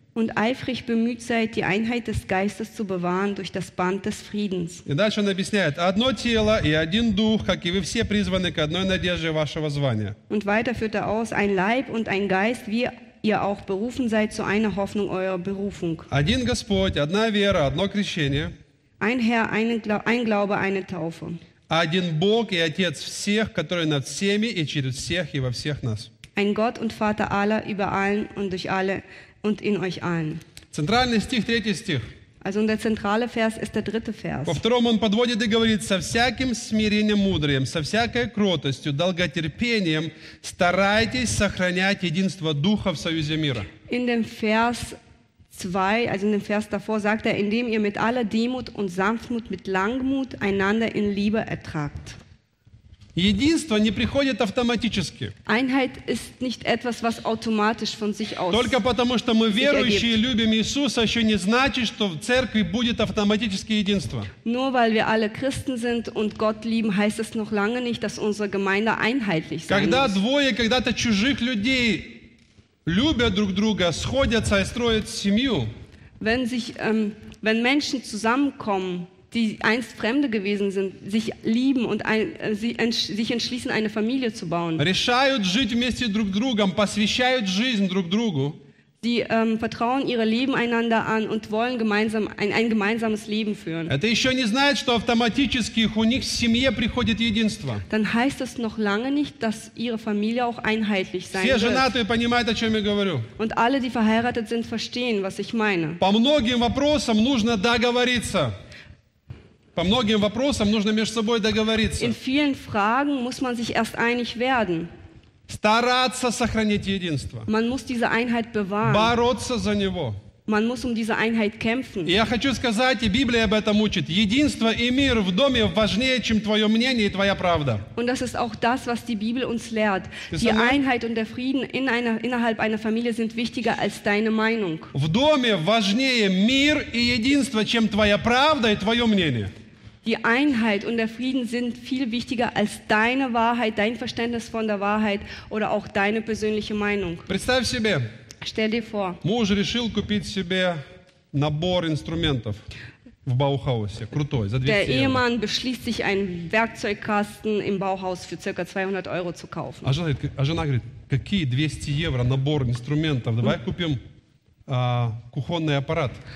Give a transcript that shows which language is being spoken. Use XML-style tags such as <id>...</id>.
<de>Und eifrig bemüht seid, die Einheit des Geistes zu bewahren durch das Band des Friedens.</de> <ru>И дальше он объясняет. Одно тело и один Дух, как и вы все призваны к одной надежде вашего звания.</ru> <de>Und weiter führt er aus, ein Leib und ein Geist, wie ihr auch berufen seid zu einer Hoffnung eurer Berufung.</de> <ru>Один Господь, одна вера, одно крещение.</ru> <de>Ein Herr, ein Glaube, eine Taufe.</de> <ru>Один Бог и Отец всех, который над всеми и через всех и во всех нас.</ru> <de>Ein Gott und Vater aller, über allen und durch alle und in euch allen.</de> <ru>Центральный стих, третий стих.</ru> <de>Also der zentrale Vers ist der dritte Vers.</de> <ru>Во втором он подводит и говорит, со всяким смирением мудрым, со всякой кротостью, долготерпением старайтесь сохранять единство Духа в союзе мира.</ru> <de>In dem Vers 2, also in dem Vers davor, sagt er, indem ihr mit aller Demut und Sanftmut, mit Langmut einander in Liebe ertragt.</de> <ru>Единство не приходит автоматически.</ru> <de>Einheit ist nicht etwas, was automatisch von sich aus.</de> <ru>Только потому, что мы верующие и любим Иисуса, еще не значит, что в церкви будет автоматически единство.</ru> <de>Nur weil wir alle Christen sind und Gott lieben, heißt es noch lange nicht, dass unsere Gemeinde einheitlich sein</de> <ru>когда</ru> <de>muss.</de> <ru>Двое когда-то чужих людей любят друг друга, сходятся и строят семью.</ru> <de>Wenn sich wenn Menschen zusammenkommen, die einst Fremde gewesen sind, sich lieben und sich entschließen, eine Familie zu bauen.</de> <ru>Решают жить вместе друг другом, посвящают жизнь друг другу.</ru> <de>Die vertrauen ihre Leben einander an und wollen gemeinsam ein gemeinsames Leben führen.</de> <ru>Это еще не знает, что автоматически у них в семье приходит единство.</ru> <de>Dann heißt es noch lange nicht, dass ihre Familie auch einheitlich sein</de> <ru>wird. Все женатые понимают, о чем я говорю.</ru> <de>Und alle, die verheiratet sind, verstehen, was ich meine.</de> <ru>По многим вопросам нужно договориться. По многим вопросам нужно между собой договориться.</ru> <de>In vielen Fragen muss man sich erst einig werden.</de> <ru>Стараться сохранить единство.</ru> <de>Man muss diese Einheit bewahren.</de> <ru>Бороться за него.</ru> <de>Man muss diese Einheit kämpfen.</de> <ru>Я хочу сказать, и Библия об этом учит. Единство и мир в доме важнее, чем твое мнение и твоя правда.</ru> <de>Und das ist auch das, was die Bibel uns lehrt. Die Einheit und der Frieden innerhalb einer Familie sind wichtiger als deine Meinung.</de> <ru>В доме важнее мир и единство, чем твоя правда и твое мнение.</ru> <de>Die Einheit und der Frieden sind viel wichtiger als deine Wahrheit, dein Verständnis von der Wahrheit oder auch deine persönliche Meinung.</de> <ru>Представь себе.</ru> <de>Stell dir vor.</de> <ru>Муж решил купить себе набор инструментов в Баухаусе. Крутой, за 200 евро.</ru> <de>Der Ehemann beschließt sich einen Werkzeugkasten im Bauhaus für ca. 200 Euro zu kaufen.</de> <ru>А жена говорит, какие 200 евро набор инструментов? Давай купим кухонный аппарат.</ru>